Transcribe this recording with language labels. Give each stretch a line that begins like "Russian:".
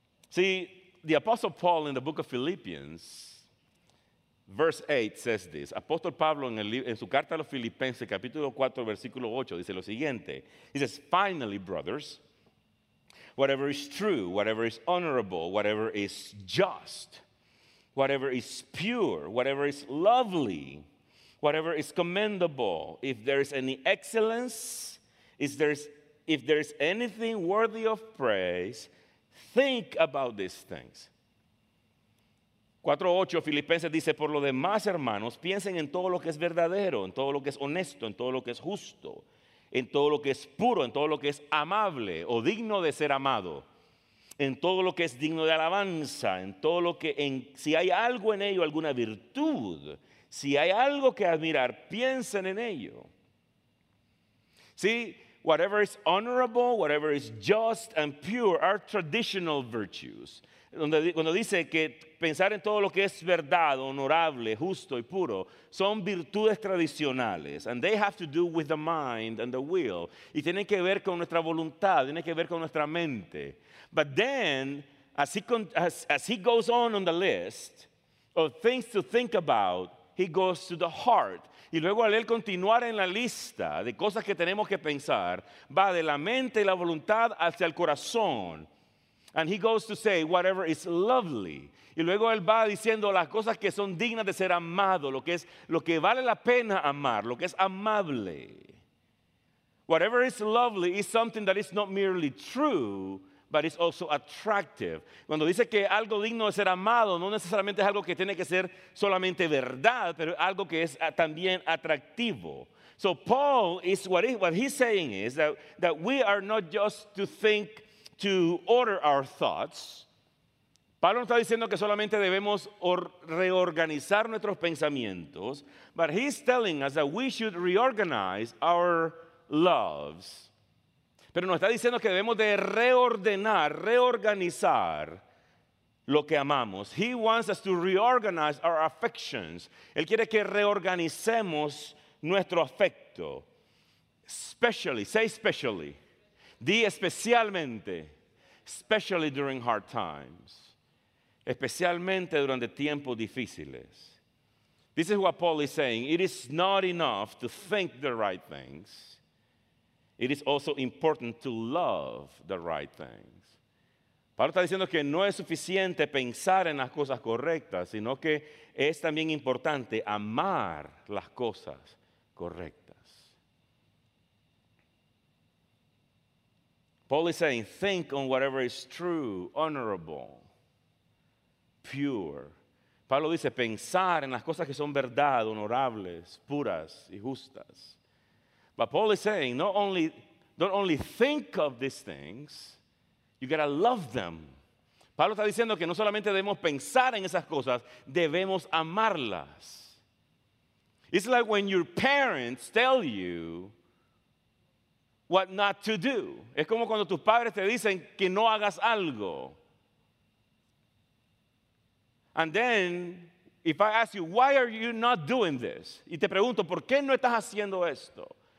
English: See, the Apostle Paul in the book of Philippians, verse 8 says this.
Spanish: Apostle Pablo en su carta a los Filipenses, capítulo 4, versículo 8, dice lo siguiente.
English: He says, finally, brothers, whatever is true, whatever is honorable, whatever is just, whatever is pure, whatever is lovely, whatever is commendable, if there is any excellence, if there is anything worthy of praise, think about these things.
Spanish: 4:8 Filipenses dice, por lo demás, hermanos, piensen en todo lo que es verdadero, en todo lo que es honesto, en todo lo que es justo, en todo lo que es puro, en todo lo que es amable o digno de ser amado, en todo lo que es digno de alabanza, en todo lo que, si hay algo en ello, alguna virtud, si hay algo que admirar, piensen en ello.
English: See, whatever is honorable, whatever is just and pure are traditional virtues.
Spanish: Cuando dice que pensar en todo lo que es verdad, honorable, justo y puro, son virtudes tradicionales.
English: And they have to do with the mind and the will.
Spanish: Y tienen que ver con nuestra voluntad, tienen que ver con nuestra mente.
English: But then, as he goes on the list of things to think about, he goes to the heart.
Spanish: Y luego al él continuar en la lista de cosas que tenemos que pensar, va de la mente y la voluntad hacia el corazón.
English: And he goes to say, whatever is lovely.
Spanish: Y luego él va diciendo las cosas que son dignas de ser amado, lo que vale la pena amar, lo que es amable.
English: Whatever is lovely is something that is not merely true, but it's also attractive.
Spanish: Cuando dice que algo digno de ser amado, no necesariamente es algo que tiene que ser solamente verdad, pero algo que es también atractivo.
English: So Paul, what he's saying is that we are not just to think to order our thoughts,
Spanish: Pablo no está diciendo que solamente debemos reorganizar nuestros pensamientos,
English: but he's telling us that we should reorganize our loves.
Spanish: Pero nos está diciendo que debemos de reordenar, reorganizar lo que amamos.
English: He wants us to reorganize our affections.
Spanish: Él quiere que reorganicemos nuestro afecto.
English: Especially, say especially.
Spanish: Di especialmente.
English: Especially during hard times.
Spanish: Especialmente durante tiempos difíciles.
English: This is what Paul is saying. It is not enough to think the right things. It is also important to love the right things.
Spanish: Pablo está diciendo que no es suficiente pensar en las cosas correctas, sino que es también importante amar las cosas correctas.
English: Paul is saying, think on whatever is true, honorable, pure.
Spanish: Pablo dice, pensar en las cosas que son verdad, honorables, puras y justas.
English: But Paul is saying, don't only think of these things, you gotta love them.
Spanish: Pablo está diciendo que no solamente debemos pensar en esas cosas, debemos amarlas.
English: It's like when your parents tell you what not to do.
Spanish: Es como cuando tus padres te dicen que no hagas algo.
English: And then, if I ask you, why are you not doing this?
Spanish: Y te pregunto, ¿por qué no estás haciendo esto?